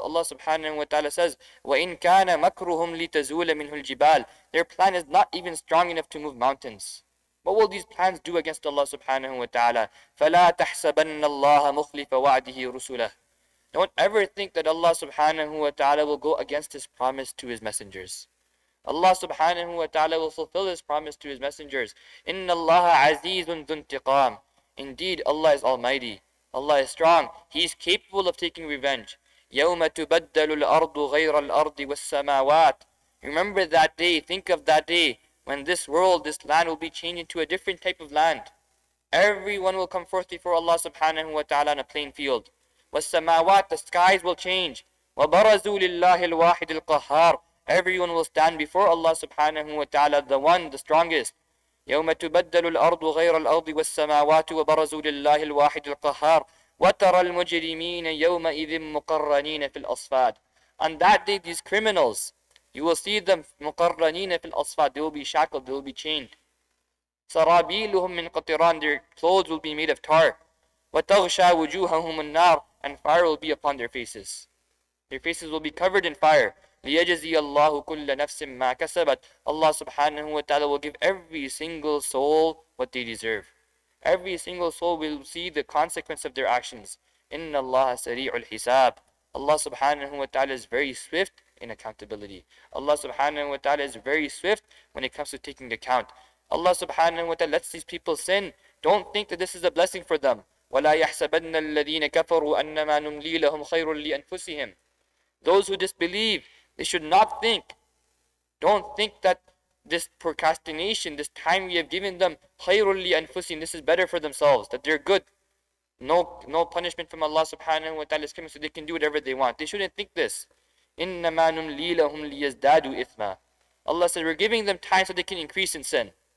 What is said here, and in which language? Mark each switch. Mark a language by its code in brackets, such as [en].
[en] Allah subhanahu wa ta'ala says, [ar] وَإِنْ كَانَ مَكْرُهُمْ لِتَزُولَ مِنْهُ الْجِبَالِ [en] Their plan is not even strong enough to move mountains. What will these plans do against Allah subhanahu wa ta'ala? [ar] فَلَا تَحْسَبَنَّ اللَّهَ مُخْلِفَ وَعْدِهِ رُسُولَهِ [en] Don't ever think that Allah subhanahu wa ta'ala will go against His promise to His messengers. Allah subhanahu wa ta'ala will fulfill His promise to His messengers. [ar] إِنَّ اللَّهَ عَزِيزٌ ذُو انْتِقَامٍ [en] Indeed, Allah is Almighty. Allah is strong. He is capable of taking revenge. [ar] يَوْمَ تُبَدَّلُ الْأَرْضُ غَيْرَ الْأَرْضِ وَالسَّمَاوَاتِ [en] Remember that day. Think of that day when this world, this land will be changed into a different type of land. Everyone will come forth before Allah subhanahu wa ta'ala on a plain field. [ar] وَالسَّمَاوَاتِ [en] The skies will change. [ar] وَبَرَزُوا لِلَّهِ الْوَاحِدِ الْقَهَارِ [en] Everyone will stand before Allah subhanahu wa ta'ala, the one, the strongest. [ar] يَوْمَ تُبَدَّلُ الْأَرْضُ غَيْرَ الْأَرْضِ وَالسَّمَاوَاتُ وَبَرَزُوا لِلَّهِ الْوَاحِدِ الْقَهَارِ وَتَرَى الْمُجْرِمِينَ يَوْمَئِذٍ مُقَرَّنِينَ فِي الْأَصْفَادِ [en] On that day, these criminals, you will see them [ar] مُقَرَّنِينَ فِي الْأَصْفَادِ [en] They will be shackled, they will be chained. [ar] سَرَابِيلُهُمْ مِنْ قَطِرَانِ [en] Their clothes will be made of tar. [ar] وَتَغْشَى وُجُوهَهُمُ النَّارِ [en] And fire will be upon their faces. Their faces will be covered in fire. [ar] لِيَجَزِيَ اللَّهُ كُلَّ نَفْسٍ مَّا كَسَبَتْ [en] Allah subhanahu wa ta'ala will give every single soul what they deserve. Every single soul will see the consequence of their actions. [ar] إِنَّ اللَّهَ سَرِيعُ الْحِسَابِ [en] Allah subhanahu wa ta'ala is very swift in accountability. Allah subhanahu wa ta'ala is very swift when it comes to taking account. Allah subhanahu wa ta'ala lets these people sin. Don't think that this is a blessing for them. [ar] وَلَا يَحْسَبَنَّ الَّذِينَ كَفَرُوا أَنَّمَا نُمْلِي لَهُمْ خَيْرٌ لِأَنفُسِهِمْ [en] Those who disbelieve, they should not think. Don't think that this procrastination, this time we have given them, [ar] خَيْرٌ لِأَنفُسِهِمْ [en] This is better for themselves, that they're good. No punishment from Allah subhanahu wa ta'ala is coming, so they can do whatever they want. They shouldn't think this. [ar] إِنَّمَا نُمْلِي لَهُمْ لِيَزْدَادُوا إِثْمًا [en] Allah says, we're giving them time so they can increase in sin.